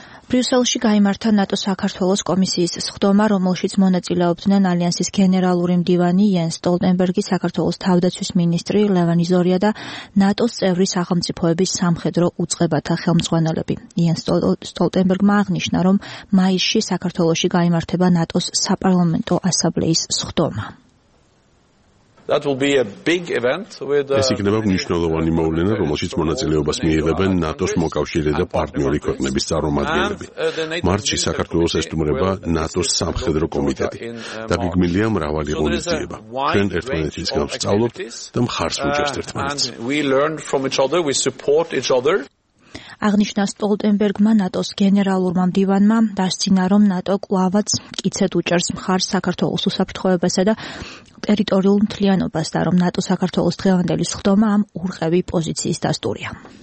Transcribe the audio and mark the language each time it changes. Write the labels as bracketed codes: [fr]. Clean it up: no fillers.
[ka] ბრიუსელში გამართა ნატო საქართველოს კომისიის სხდომა, რომელშიც მონაწილეობდნენ ალიანსის გენერალური მდივანი იენს სტოლტენბერგი, საქართველოს თავდაცვის მინისტრი ლევან იზორია და ნატოს წევრი სახელმწიფოების სამხედრო უწყებათა ხელმძღვანელები. იენს სტოლტენბერგმა აღნიშნა, რომ მაისში საქართველოში გამართება ნატოს საპარლამენტო ასამბლეის სხდომა. [en] That will be a big event with [ka] ეს იქნება მნიშვნელოვანი მოვლენა, რომელშიც მონაწილეობას მიიღებენ ნატოს მოკავშირე და პარტნიორი ქვეყნების წარმომადგენლები. მარტში საქართველოს ესტუმრება ნატოს სამხედრო კომიტეტი. დაგეგმილია მრავალი ღონისძიება. ჩვენ ერთმანეთისგან ვსწავლობთ და მხარს უჭერთ ერთმანეთს. [en] We learn from each other, we support each other. [ka] აღნიშნა სტოლტენბერგმა ნატოს გენერალურმა მდივანმა, დასწინა რომ ნატო კლავაც მკიცედ უჭერს მხარს საქართველოს უსაფრთხოებასა და ტერიტორიულ მთლიანობას და რომ ნატო საქართველოს დღევანდელი სხდომა ამ ურყევი პოზიციის დასტურია.